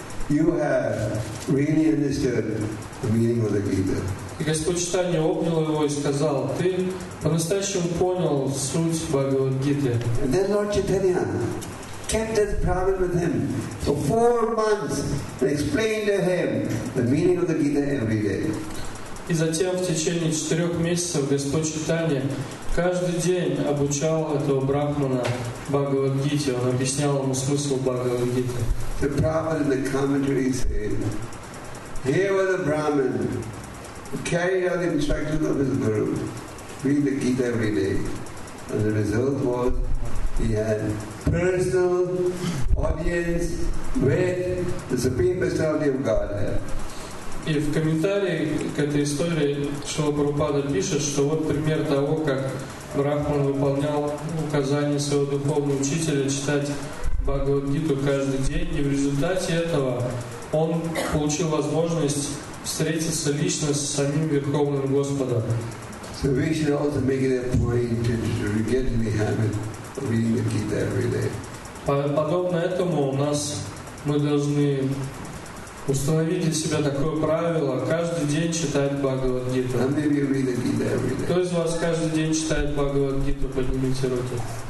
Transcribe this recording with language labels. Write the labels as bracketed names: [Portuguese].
[English] You have really understood the meaning of the Gita. [Russian] И Господь Читания обнял его и сказал, ты по-настоящему понял суть Бхагавад-гиты. [English] And then Lord Chaitanya kept this problem with him for 4 months and explained to him the meaning of the Gita every day. [Russian] И затем в течение 4 месяцев Господь Читания каждый день обучал этого брахмана Бхагавад-гите, он объяснял ему смысл Бхагавад-гиты. [English] The Prabhupada in the commentary said, here was a Brahmin who carried out the instructions of his guru, read the Gita every day. And the result was he had personal audience with the Supreme Personality of Godhead. [Russian] И в комментарии к этой истории Шрила Прабхупада пишет, что вот пример того, как брахман выполнял указания своего духовного учителя читать Бхагавад-гиту каждый день, и в результате этого он получил возможность встретиться лично с самим Верховным Господом. [English] So we should also make it a point to get in the habit of reading the Gita every day. [Russian] Подобно этому мы должны установить для себя такое правило, каждый день читать Бхагавад-гиту. Кто из вас каждый день читает Бхагавад-гиту, поднимите руки.